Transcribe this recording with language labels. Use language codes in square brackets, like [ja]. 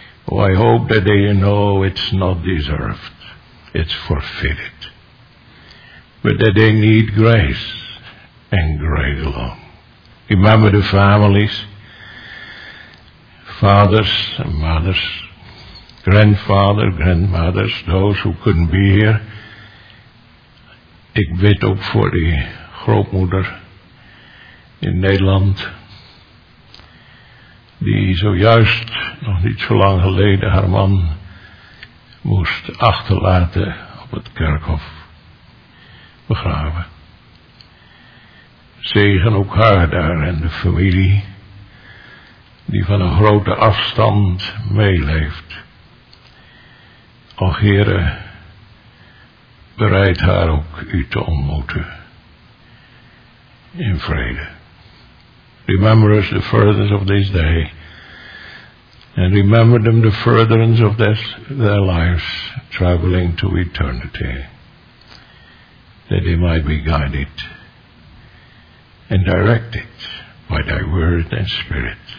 [en] Oh, I hope that they know it's not deserved, it's forfeited, but that they need grace and grace alone. Remember the families, fathers and mothers, grandfather, grandmothers, those who couldn't be here. [nl] Ik weet ook voor die grootmoeder in Nederland, die zojuist, nog niet zo lang geleden, haar man moest achterlaten op het kerkhof, begraven. Zegen ook haar daar en de familie, die van een grote afstand meeleeft. O Heere, bereid haar ook u te ontmoeten in vrede. [en] Remember us the furtherance of this day, and remember them the furtherance of their lives, traveling to eternity, that they might be guided and directed by thy word and spirit.